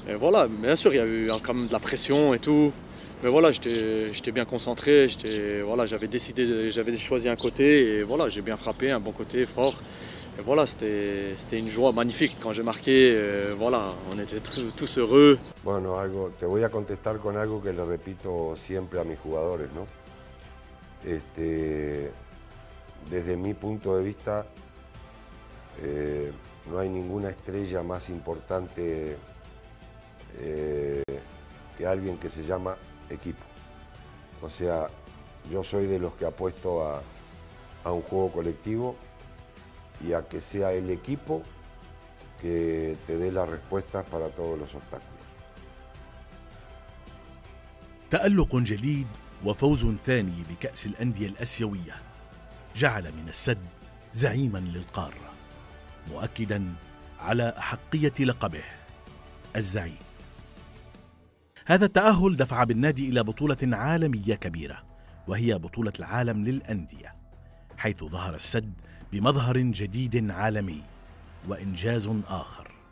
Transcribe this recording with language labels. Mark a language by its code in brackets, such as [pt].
[fr] Et voilà, bien sûr, il y a eu quand même de la pression et tout. Mais voilà, j'étais bien concentré, j'avais choisi un côté et voilà, j'ai bien frappé un bon côté fort. Et voilà, c'était une joie magnifique quand j'ai marqué. Voilà, on était tous heureux. [es] Bueno, algo, te voy a contestar con algo que le repito siempre a mis jugadores, ¿no? Desde mi punto de vista, no hay ninguna estrella más importante que alguien que se llama equipo. O sea, yo soy de los que apuesto a un juego colectivo y a que sea el equipo que te dé las respuestas para todos los obstáculos. [ar] تألق جديد وفوز ثاني بكأس الأندية الآسيوية جعل من السد زعيما للقارة، مؤكدا على أحقية لقبه الزعيم. هذا التأهل دفع بالنادي إلى بطولة عالمية كبيرة، وهي بطولة العالم للأندية، حيث ظهر السد بمظهر جديد عالمي وإنجاز آخر،